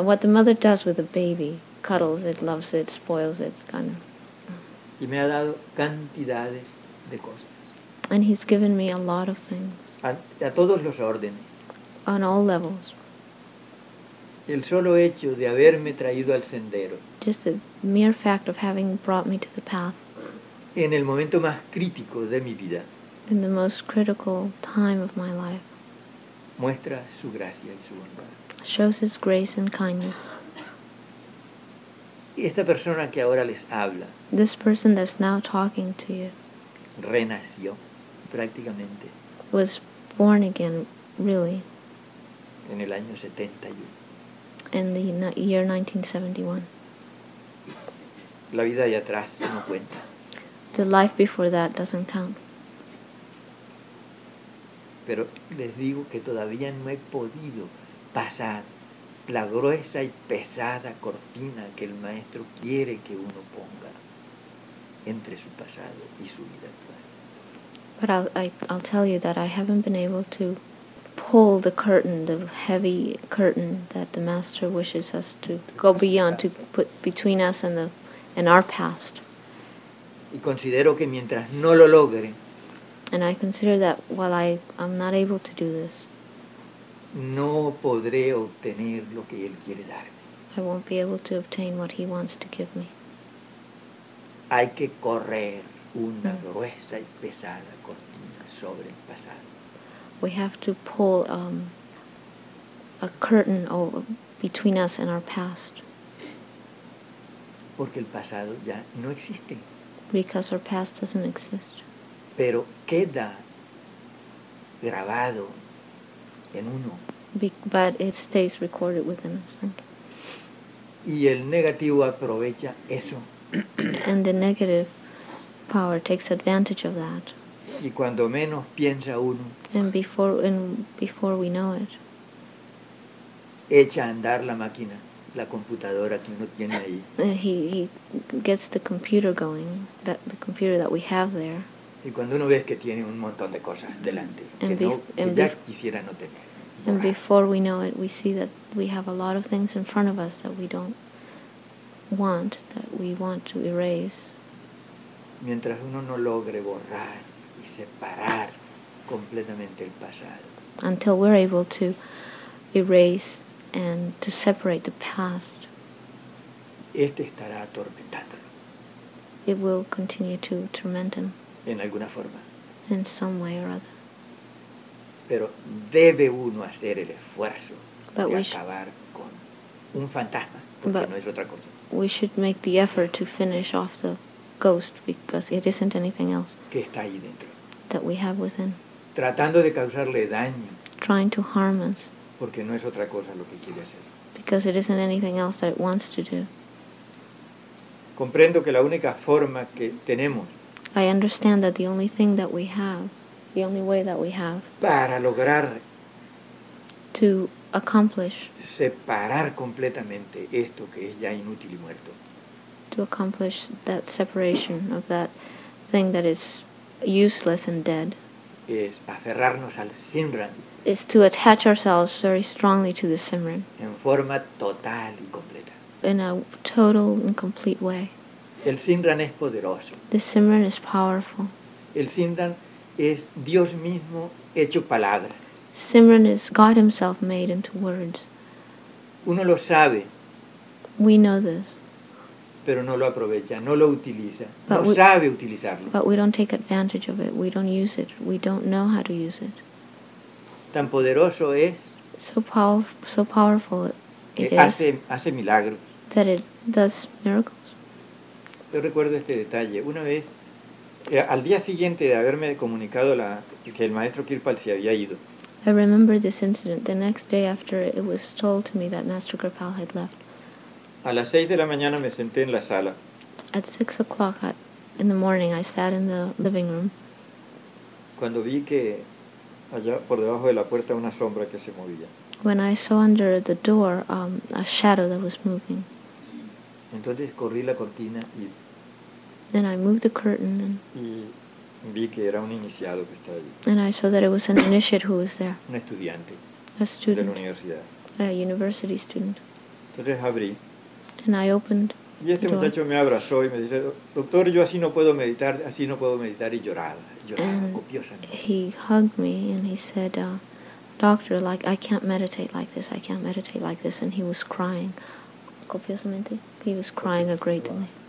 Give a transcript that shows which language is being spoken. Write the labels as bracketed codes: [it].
[en] what the mother does with a baby, cuddles it, loves it, spoils it, kind of. [es] Y me ha dado cantidades de cosas. [en] And he's given me a lot of things. [es] A todos los órdenes. [en] On all levels. [es] El solo hecho de haberme traído al sendero. [en] Just the mere fact of having brought me to the path. [es] En el momento más crítico de mi vida. [en] In the most critical time of my life. [es] Muestra su gracia y su bondad. [en] Shows his grace and kindness. [es] Y esta persona que ahora les habla. [en] This person that's now talking to you. [es] Renació, prácticamente. [en] Was born again, really. [es] En el año 71. [en] In the year 1971. [es] La vida de atrás no cuenta. [en] The life before that doesn't count. [es] Pero les digo que todavía no he podido pasar la gruesa y pesada cortina que el maestro quiere que uno ponga entre su pasado y su vida actual. [en] But I'll tell you that I haven't been able to pull the curtain, the heavy curtain that the master wishes us to go beyond, to put between us and the and our past. [es] Y considero que mientras no lo logre, [en] and I consider that while I'm not able to do this, [es] no podré obtener lo que él quiere darme. [en] I won't be able to obtain what he wants to give me. [es] Hay que correr una gruesa y pesada cortina sobre el pasado. [en] We have to pull a curtain over between us and our past. [es] Porque el pasado ya no existe. [en] Because our past doesn't exist. [es] Pero queda grabado en uno. [en] But it stays recorded within us. [es] Y el negativo aprovecha eso. [en] And the negative power takes advantage of that. [es] Y cuando menos piensa uno. [en] And before we know it. [es] Echa a andar la máquina, la computadora que uno tiene ahí. [en] He gets the computer going, the computer that we have there. [es] Y cuando uno ve que tiene un montón de cosas delante, quisiera no tener. [en] And before we know it, we see that we have a lot of things in front of us that we don't want, that we want to erase. [es] Mientras uno no logre borrar y separar completamente el pasado. [en] Until we're able to erase and to separate the past. [es] Este estará atormentándolo. [en] It will continue to torment him. [es] En alguna forma. [en] In some way or other. [es] Pero debe uno hacer el esfuerzo de acabar con un fantasma, porque no es otra cosa. [en] We should make the effort to finish off the ghost, because it isn't anything else. [es] Que está ahí dentro. [en] That we have within. [es] Tratando de causarle daño. [en] Trying to harm us. [es] Porque no es otra cosa lo que quiere hacer. [en] Because it isn't anything else that it wants to do. [es] Comprendo que la única forma que tenemos. [en] I understand that the only thing that we have, the only way that we have [es] para lograr [en] to accomplish [es] separar completamente esto que es ya inútil y muerto, [en] to accomplish that separation of that thing that is useless and dead, [es] es aferrarnos al Simran, [en] is to attach ourselves very strongly to the Simran [es] en forma total y completa, [en] in a total and complete way. [es] El Simran es poderoso. [en] The Simran is powerful. [es] El Simran es Dios mismo hecho palabras. [en] Simran is God himself made into words. [es] Uno lo sabe. [en] We know this. [es] Pero no lo aprovecha, no lo utiliza. Sabe utilizarlo. [en] But we don't take advantage of it. We don't use it. We don't know how to use it. [es] Tan poderoso es. [en] So powerful it is. [es] Hace milagros. [en] That it does miracles. [es] Yo recuerdo este detalle. Una vez, al día siguiente de haberme comunicado que el maestro Kirpal se había ido. [en] I remember this incident. The next day after it was told to me that Master Kirpal had left. [es] A las 6 de la mañana me senté en la sala. [en] At 6 o'clock in the morning I sat in the living room. [es] Cuando vi que allá por debajo de la puerta una sombra que se movía. [en] When I saw under the door a shadow that was moving. [es] Entonces corrí la cortina y [en] then I moved the curtain and [es] y vi que era un iniciado que estaba allí. [en] And I saw that it was an initiate who was there. [es] Un estudiante. [en] A student. [es] De la universidad. [en] A university student. [es] Entonces abrí. [en] And I opened. [es] Y este muchacho me abrazó y me dice, doctor, yo así no puedo meditar y llorar copiosamente. [en] He hugged me and he said, doctor, like I can't meditate like this, I can't meditate like this, and he was crying copiosamente. He was crying a great deal.